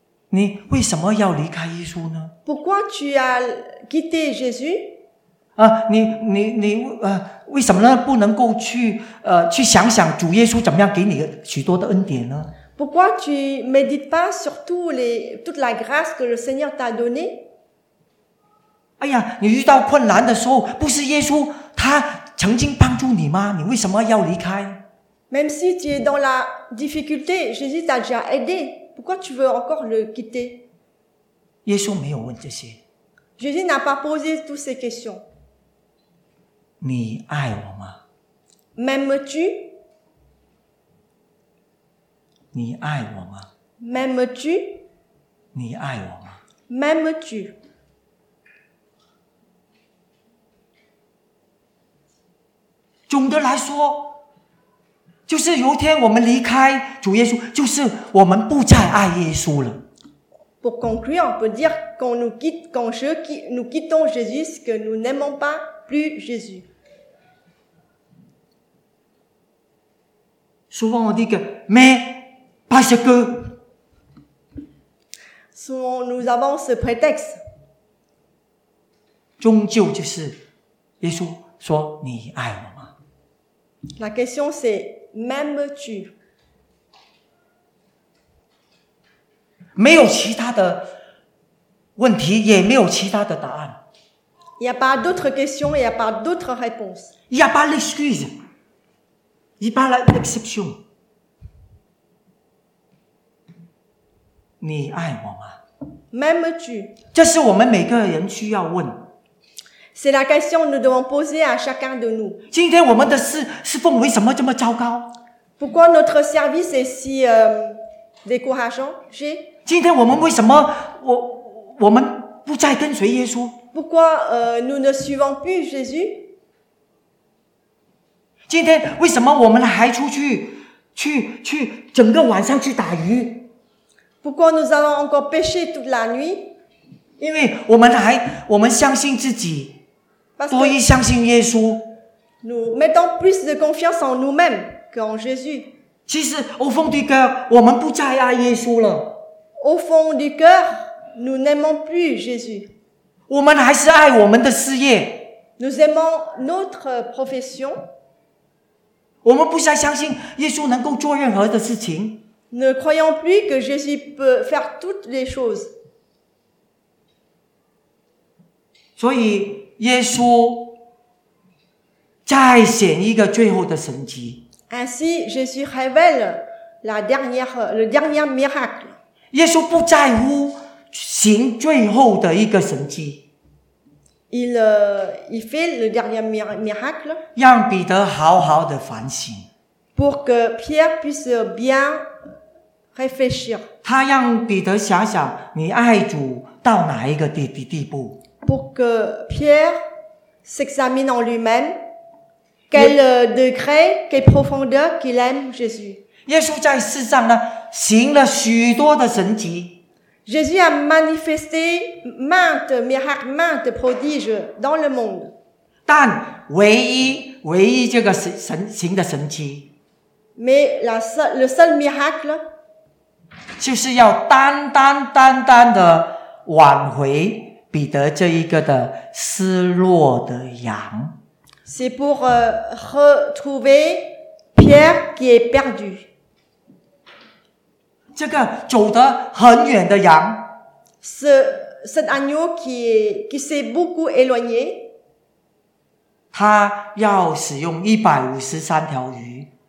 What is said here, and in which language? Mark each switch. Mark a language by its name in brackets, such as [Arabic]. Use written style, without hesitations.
[Chinese] 你为什么要离开耶稣呢？ [French] Pourquoi tu as quitté Jésus? [Chinese] 你为什么呢？不能够去想想主耶稣怎么样给你许多的恩典呢？ [French] Pourquoi tu ne médites pas sur toute la grâce que le Seigneur t'a donnée? [Chinese] 哎呀，你遇到困难的时候，不是耶稣他曾经帮助你吗？你为什么要离开 [French] ？Même si tu es dans la difficulté, Jésus t'a déjà aidé. Pourquoi tu veux encore le quitter？ [Chinese] 耶稣没有问这些。 [French] Jésus n'a pas posé toutes ces questions. [Chinese] 你爱我吗 [French] ？M'aimes-tu？ [Chinese] 你爱我吗 [French] ？M'aimes-tu？ [Chinese] 你爱我吗 [French] ？M'aimes-tu？ [Chinese] 总的来说，就是有一天我们离开主耶稣，就是我们不再爱耶稣了。 [French] Pour conclure, on peut dire quand nous quittons Jésus, que nous n'aimons pas plus Jésus. Souvent on dit que mais parce que. Souvent nous avons ce prétexte. [Chinese] 终究就是耶稣说你爱我。 [French] La question c'est m'aimes-tu? [Chinese] 没有其他的问题，也没有其他的答案。 [French] Il n'y a pas d'autres questions, il n'y a pas d'autres réponses. Il n'y a pas l'excuse, il n'y a pas l'exception. [Chinese] 你爱我吗 [French] ？M'aimes-tu? [Chinese] 这是我们每个人需要问。 [French] C'est la question que nous devons poser à chacun de nous. [Chinese] 今天我们的侍奉为什么这么糟糕 [French] ？Pourquoi notre service est si décourageant? [Chinese] 今天我们为什么我们不再跟随耶稣 [French] ？Pourquoi nous ne suivons plus Jésus? [Chinese] 今天为什么我们还出去整个晚上去打鱼 [French] ？Pourquoi nous allons encore pêcher toute la nuit? [Chinese] 因为我们相信自己。多一相信耶稣 [French] nous mettons plus de confiance en nous-mêmes qu'en Jésus. [Chinese] 其实 [French] au fond du cœur, [Chinese] 我们不再爱耶稣了。 [French] Au fond du cœur, nous n'aimons plus Jésus. [Chinese] 我们还是爱我们的事业。 [French] Nous aimons notre profession. [Chinese] 我们不再相信耶稣能够做任何的事情。 [French] Ne croyons plus que Jésus peut faire toutes les choses. [Chinese] 所以耶稣再显一个最后的神迹。 [French] Ainsi, Jésus révèle la dernière, le dernier miracle. [Chinese] 耶稣不在乎行最后的一个神迹。 [French] Il fait le dernier miracle. [Chinese] 让彼得好好的反省。 [French] Pour que Pierre puisse bien réfléchir. [Chinese] 他让彼得想想你爱主到哪一个地步。 [French] Pour que Pierre s'examine en lui-même. Quel degré, quelle profondeur qu'il aime Jésus. [Chinese] 耶稣在世上呢，行了许多的神迹。 [French] Jésus a manifesté maintes miracles, maintes prodiges dans le monde. [Chinese] 但唯一这个行的神迹。 [French] Mais le seul miracle, [Chinese] 就是要单单的挽回彼得这一个的失落的羊。 [French] C'est pour retrouver Pierre qui est perdu. [Chinese] 这个走得很远的羊。 [French] Cet agneau qui s'est beaucoup éloigné. [Chinese] 他要使用153条鱼。